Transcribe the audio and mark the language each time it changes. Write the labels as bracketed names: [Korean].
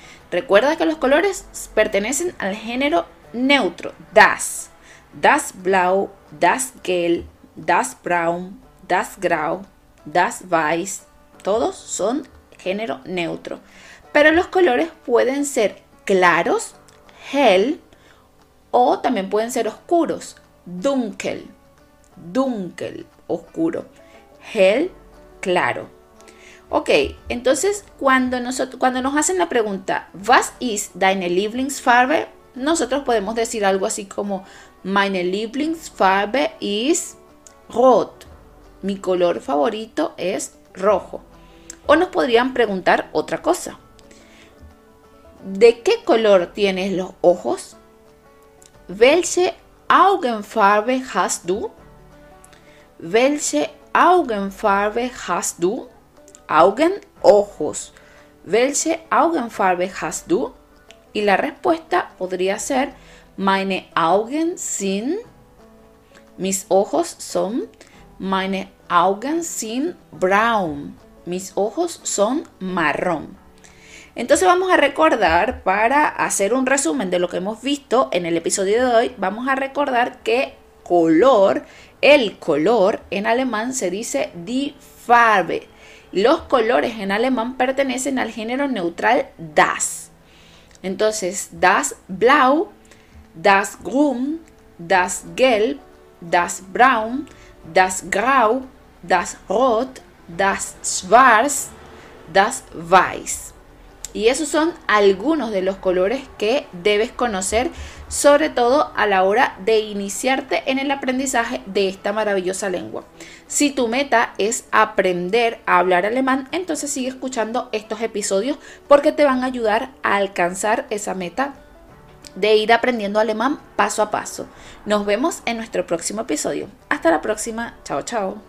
[Spanish] Recuerda que los colores pertenecen al género neutro, das. [German] Das blau, das gelb, das braun, das grau, das weiß. [Spanish] Todos son género neutro. Pero los colores pueden ser claros, hell, o también pueden ser oscuros, dunkel, dunkel, oscuro, hell, claro. Ok, entonces cuando nos hacen la pregunta, [German] ¿Was is deine Lieblingsfarbe? [Spanish] Nosotros podemos decir algo así como, [German] Meine Lieblingsfarbe is rot. [Spanish] Mi color favorito es rojo. O nos podrían preguntar otra cosa. ¿De qué color tienes los ojos? [German] ¿Welche Augenfarbe hast du? ¿Welche Augenfarbe hast du? [Spanish] Augen, ojos. [German] ¿Welche Augenfarbe hast du? [Spanish] Y la respuesta podría ser: [German] Meine Augen sind. [Spanish] Mis ojos son. [German] Meine Augen sind braun. [Spanish] Mis ojos son marrón. Entonces vamos a recordar, para hacer un resumen de lo que hemos visto en el episodio de hoy, vamos a recordar que color, el color en alemán se dice die Farbe. Los colores en alemán pertenecen al género neutral das. [German] Entonces, das blau, das grün, das gelb, das braun, das grau, das rot, das schwarz, das weiß. [Spanish] Y esos son algunos de los colores que debes conocer, sobre todo a la hora de iniciarte en el aprendizaje de esta maravillosa lengua. Si tu meta es aprender a hablar alemán, entonces sigue escuchando estos episodios porque te van a ayudar a alcanzar esa meta de ir aprendiendo alemán paso a paso. Nos vemos en nuestro próximo episodio. Hasta la próxima. Chao, chao.